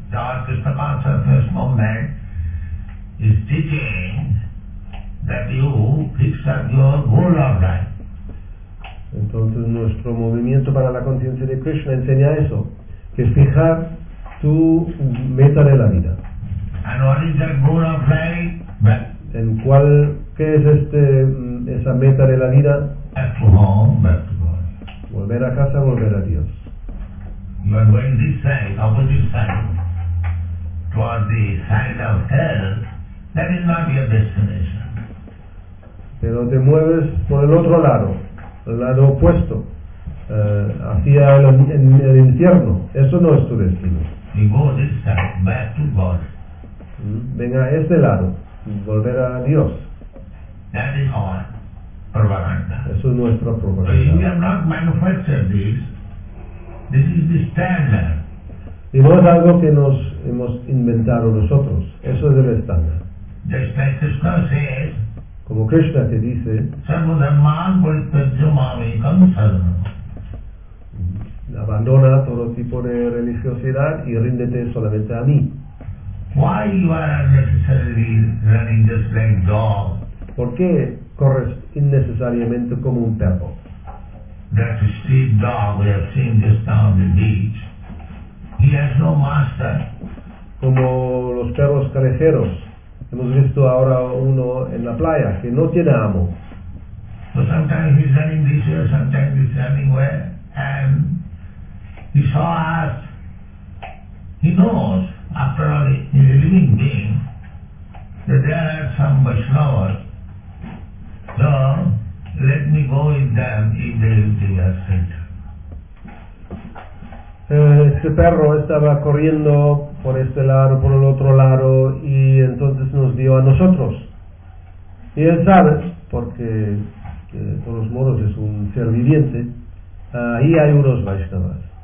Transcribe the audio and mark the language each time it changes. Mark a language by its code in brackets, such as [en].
[en] Lord Krishna Consciousness Movement is teaching that you fix up your goal of life. [es] Entonces nuestro movimiento para la conciencia de Krishna enseña eso, que es fijar tu meta de la vida. [en] And what is that goal of life? [es] ¿En cuál, qué es este, esa meta de la vida? [en] Back to home, back to God. [es] Volver a casa, volver a Dios. [en] You are going this side, opposite side, towards the side of hell, that is not your destination. [es] Pero te mueves por el otro lado, el lado opuesto, hacia el infierno. Eso no es tu destino. [en] You go this side, back to God. [es] Venga a este lado, volver a Dios. [en] That is our propaganda. [es] Eso es nuestra propaganda. [en] So you have not manufactured this. This is the standard. [es] Y no es algo que nos hemos inventado nosotros. Eso es el estándar. [en] Just like Krishna says, [es] como Krishna te dice, abandona todo tipo de religiosidad y ríndete solamente a mí. [en] Why you are unnecessarily running just like dog? [es] ¿Por qué corres innecesariamente como un perro? [en] That steep dog we have seen just down the beach, he has no master. [es] Como los perros callejeros, hemos visto ahora uno en la playa que no tiene amo. [en] So sometimes he's running this way, sometimes he's running where, and he saw us. He knows, after all, he's a living being, that there are some Vaishnavas. So, let me go with them if they will be accepted. [es] Este perro estaba corriendo por este lado, por el otro lado, y entonces nos vio a nosotros. Y él sabe, porque de todos modos es un ser viviente, ahí hay unos Vaishnavas.